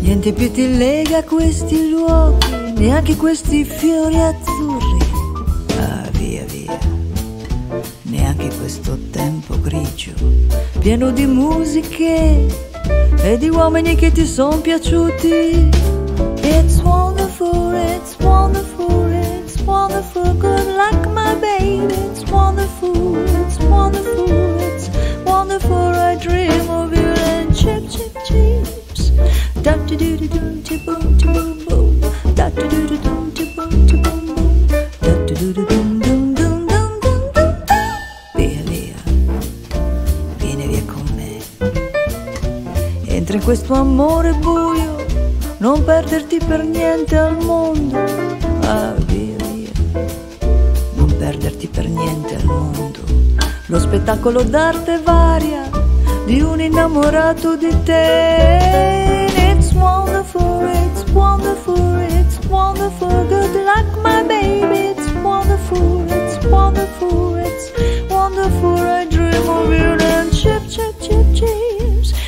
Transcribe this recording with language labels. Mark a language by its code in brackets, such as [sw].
[it] Più ti lega questi luoghi, neanche questi fiori azzurri. Ah, via via, neanche questo tempo grigio, pieno di musiche e di uomini che ti son piaciuti. [en] It's wonderful, it's wonderful, it's wonderful, good luck my baby. It's wonderful, it's wonderful, it's wonderful, I dream of you and chip, chip, chip. [it] Via via, vieni via con me. Entra in questo amore buio, non perderti per niente al mondo. Ah, via via, non perderti per niente al mondo. lo spettacolo d'arte varia di un innamorato di te. [en] It's wonderful, it's wonderful, it's wonderful, good luck my baby, it's wonderful, it's wonderful, it's wonderful, I dream of you and chip, chip, chip, chips.